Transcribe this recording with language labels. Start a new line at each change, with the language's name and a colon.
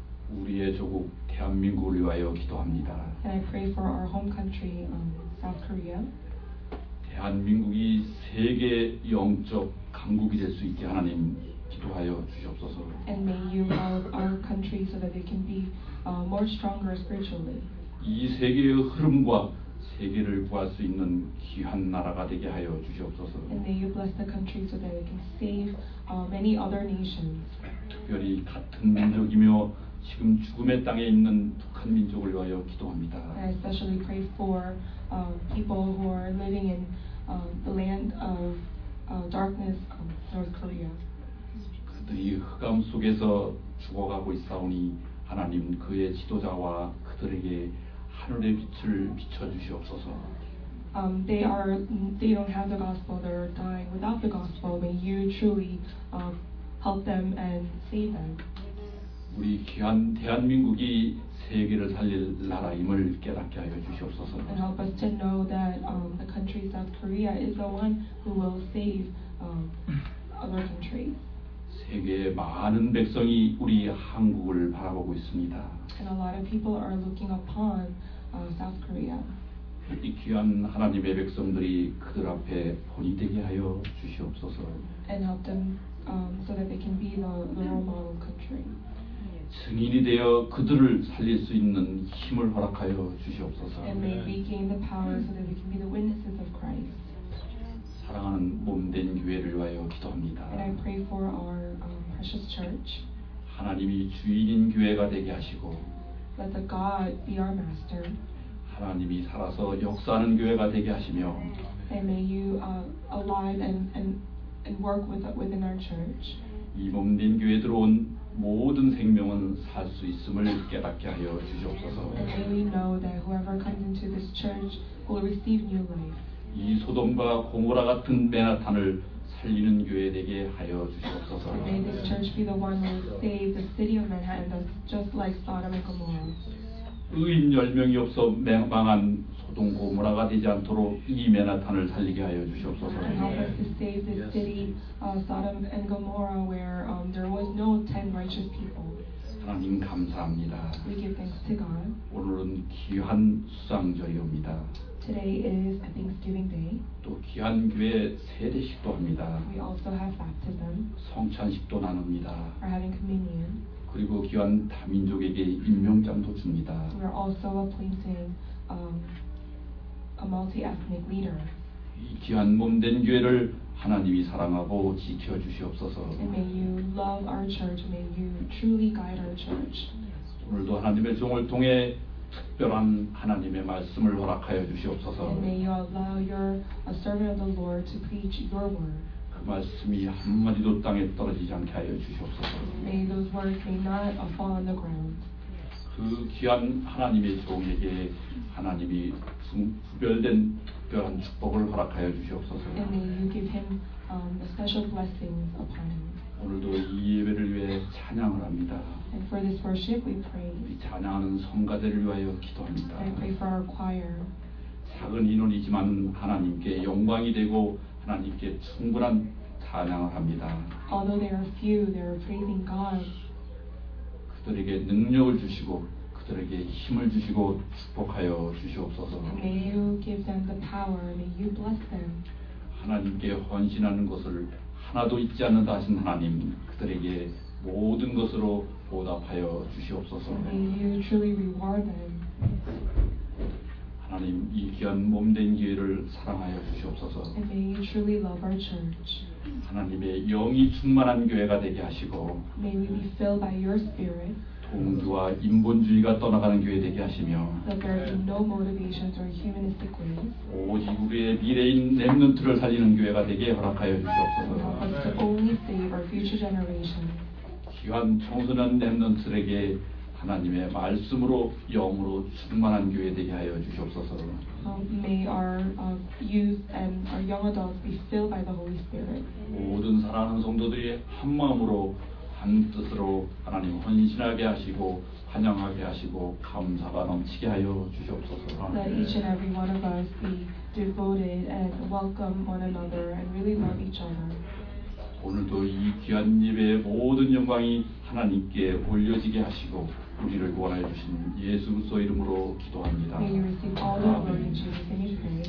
Korean: 우리의 조국 대한민국을 위하여 기도합니다.
English: And I pray for our home country, South Korea.
Korean: 대한민국이 세계 영적 강국이 될 수 있게 하나님 기도하여 주시옵소서.
English: And may you help our country so that it can be more stronger spiritually.
Korean: 이 세계의 흐름과 세계를 구할 수 있는 귀한 나라가 되게 하여 주시옵소서.
English: And may you bless the country so that it can save many other nations.
Korean: 특별히 같은 민족이며 지금 죽음의 땅에 있는 북한 민족을 위하여 기도합니다.
English: I especially pray for people who are living in the land of darkness, North Korea.
Korean: 그들이 흑암 속에서 죽어가고 있사오니 하나님 그의 지도자와 그들에게 하늘의 빛을 비춰 주시옵소서.
English: They don't have the gospel. They're dying without the gospel. May you truly help them and save them.
Korean: 우리 귀한 대한민국이 세계를 살릴 나라임을 깨닫게 하여 주시옵소서.
English: And help us to know that the country South Korea is the one who will save other countries.
Korean: 세계의 많은 백성이 우리 한국을 바라보고 있습니다.
English: And a lot of people are looking upon South Korea.
Korean: 이 귀한 하나님의 백성들이 그들 앞에 본이 되게 하여 주시옵소서.
English: And help them so that they can be the role model country.
Korean: 증인이 되어 그들을 살릴 수 있는 힘을 허락하여 주시옵소서.
English: And may we gain the power so that we can be the witnesses of Christ.
Korean: 사랑하는 몸된 교회를 위하여 기도합니다.
English: And I pray for our precious church.
Korean: 하나님이 주인인 교회가 되게 하시고
English: Let the God be our master.
Korean: 하나님이 살아서 역사하는 교회가 되게 하시며
English: And may you alive and work within our church.
Korean: 이 몸된 교회 들어온 모든 생명은 살 수 있음을 깨닫게 하여 주시옵소서.
English: And may we know that whoever comes into this church will receive new life.
Korean: 이 소돔과 고모라 같은 맨하탄을 살리는 교회 되게 하여 주시옵소서.
English: May this church be the one who saves the city of Manhattan, just like Sodom and Gomorrah.
Korean: 의인 열 명이 없어 망한 소돔 고모라가 되지 않도록 이 맨하탄을 살리게 하여 주시옵소서.
English: And help us to save the city of Sodom and Gomorrah, where there was no 10 righteous people.
Korean: 하나님 감사합니다.
English: We give thanks to God.
Korean: 오늘은 귀한 수상절이옵니다.
English: Today is Thanksgiving Day.
Korean: 또 귀한 교회 세례식도 합니다.
English: We also have baptism.
Korean: 성찬식도 나눕니다.
English: We're having communion.
Korean: 그리고 귀한 다민족에게 임명장도 줍니다.
English: We're also appointing a multi-ethnic leader.
Korean: 이 귀한 몸된 교회를 하나님이 사랑하고 지켜 주시옵소서.
English: And may you love our church. May you truly guide our church.
Korean: 오늘도 하나님의 종을 통해 특별한 하나님의 말씀을 허락하여 주시옵소서.
English: And may you allow your servant of the Lord to preach your word.
Korean: 그 말씀이 한마디도 땅에 떨어지지 않게 하여 주시옵소서.
English: May those words may not fall on the ground.
Korean: 그 귀한 하나님의 종에게 하나님이 구별된 특별한 축복을 허락하여 주시옵소서.
English: And may you give him special blessings upon him.
Korean: 오늘도 이 예배를 위해 찬양을 합니다.
English: And for this worship, we pray.
Korean: 이 찬양하는 성가대를 위하여 기도합니다.
English: I pray for our choir.
Korean: 작은 인원이지만 하나님께 영광이 되고 하나님께 충분한 찬양을 합니다.
English: Although they are few, they are praising God.
Korean: 그들에게 능력을 주시고 그들에게 힘을 주시고 축복하여 주시옵소서.
English: And may you give them the power. May you bless them.
Korean: 하나님께 헌신하는 것을 하나도 잊지 않는다 하신 하나님, 그들에게 모든 것으로 보답하여 주시옵소서.
English: May you truly reward them.
Korean: 하나님, 이 귀한 몸된 교회를 사랑하여 주시옵소서.
English: And may you truly love our church.
Korean: 하나님의 영이 충만한 교회가 되게 하시고,
English: May we be filled by your spirit.
Korean: 동주와 인본주의가 떠나가는 교회 되게 하시며,
English: That there be no motivations or humanistic ways.
Korean: 오직 우리의 미래인 렘넌트를 살리는 교회가 되게 허락하여 주시옵소서.
English: But to only save our future generations.
Korean: 귀한 청소년 렘넌트에게 하나님의 말씀으로 영으로 충만한 교회 되게 하여 주시옵소서.
English: May our youth and our young adults be filled by the Holy Spirit.
Korean: 모든 사랑하는 성도들이 한 마음으로 한 뜻으로 하나님 헌신하게 하시고 환영하게 하시고 감사가 넘치게 하여 주시옵소서.
English: That each and every one of us be devoted and welcome one another and really love each other.
Korean: 오늘도 이 귀한 예배의 모든 영광이 하나님께 올려지게 하시고 우리를 구원하여 주신 예수 그리스도 이름으로 기도합니다.
English: May you receive all the glory in Jesus' name.